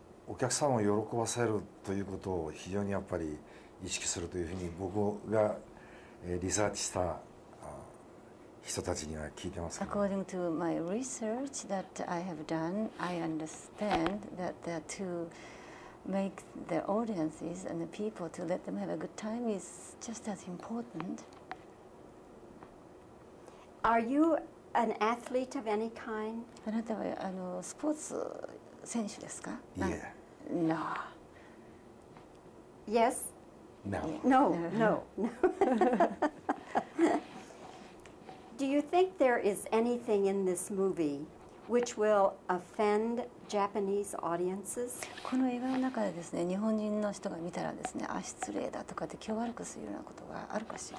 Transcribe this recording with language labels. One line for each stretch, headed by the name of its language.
Japanese: お客さんを喜ばせるということを非常にやっぱり意識するというふうに僕がリサーチした人たちには聞いてますか?
English: According to my research that I have done, I understand that to make the audiences and the people to let them have a good time is just as important. Are you an athlete of any kind?
Japanese: あなたはあのスポーツ選手ですか?
English: Yeah. No. Yes. No. No. No. Do you think there is anything in this movie which will offend Japanese audiences?
Japanese: この映画の中でですね、日本人の人が見たらですね、あ、失礼だとかって気を悪くするようなことがあるかしら?